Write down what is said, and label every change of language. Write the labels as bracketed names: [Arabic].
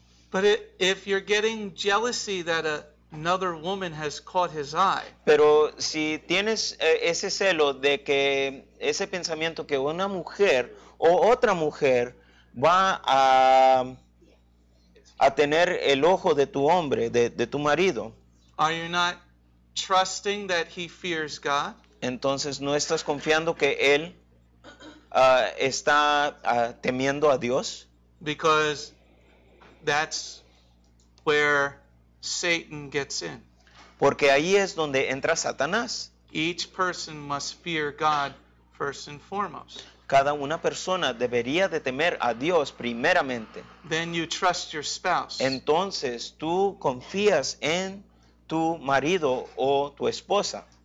[English] But if you're getting jealousy that another woman has caught his eye. [Spanish] Pero si tienes ese celo de que ese pensamiento que una mujer o otra mujer va a tener el ojo de tu hombre, de tu marido. [English] Are you not trusting that he fears God? [Spanish] Entonces no estás confiando que él está temiendo a Dios? [English] Because that's where Satan gets in. [Spanish] Porque ahí es donde entra Satanás. [English] Each person must fear God first and foremost. [Spanish] Cada una persona debería de temer a Dios primeramente. [English] Then you trust your spouse. [Spanish] Entonces tú confías en tu marido o tu esposa.